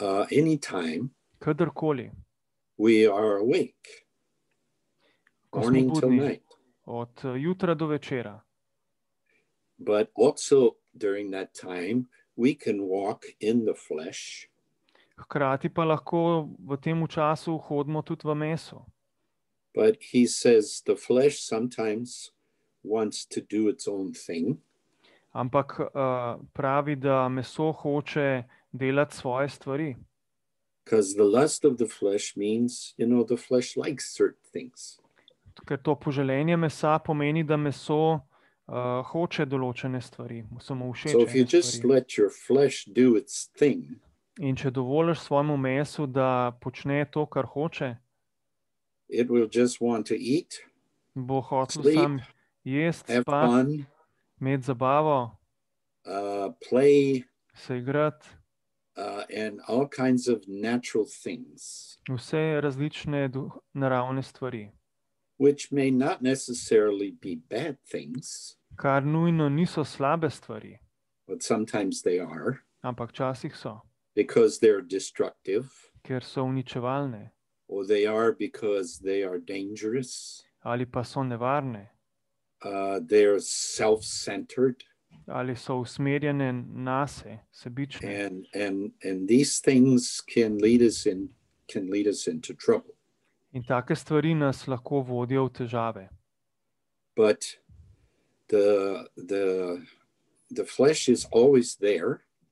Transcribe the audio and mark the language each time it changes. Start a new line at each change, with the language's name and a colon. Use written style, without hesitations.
English: Anytime.
Slovenian: Kadarkoli.
English: We are awake. Morning till night.
Slovenian: Od jutra do večera.
English: But also during that time, we can walk in the flesh.
Slovenian: Hkrati pa lahko v tem času hodimo tudi v meso.
English: But he says the flesh sometimes wants to do its own thing.
Slovenian: Ampak pravi, da meso hoče delati svoje stvari.
English: Because the lust of the flesh means, you know, the flesh likes certain things.
Slovenian: Ker to poželenje mesa pomeni, da meso hoče določene stvari, samo všeče stvari.
English: So if you just let your flesh do its thing,
Slovenian: in če dovoliš svojemu mesu, da počne to, kar hoče,
English: it will just want to eat,
Slovenian: bo hotel sam jest,
English: have spat, fun,
Slovenian: imeti zabavo,
English: play,
Slovenian: se igrati,
English: and all kinds of natural things.
Slovenian: Vse različne naravne stvari.
English: Which may not necessarily be bad things.
Slovenian: Kar nujno niso slabe stvari.
English: But sometimes they are.
Slovenian: Ampak včasih so.
English: Because they are destructive.
Slovenian: Ker so uničevalne.
English: Or they are because they are dangerous.
Slovenian: Ali pa so nevarne.
English: They are self-centered.
Slovenian: Ali so usmerjene nase, sebične.
English: And these things can lead us into trouble.
Slovenian: In take stvari nas lahko vodijo v težave.
English: But the flesh is always there.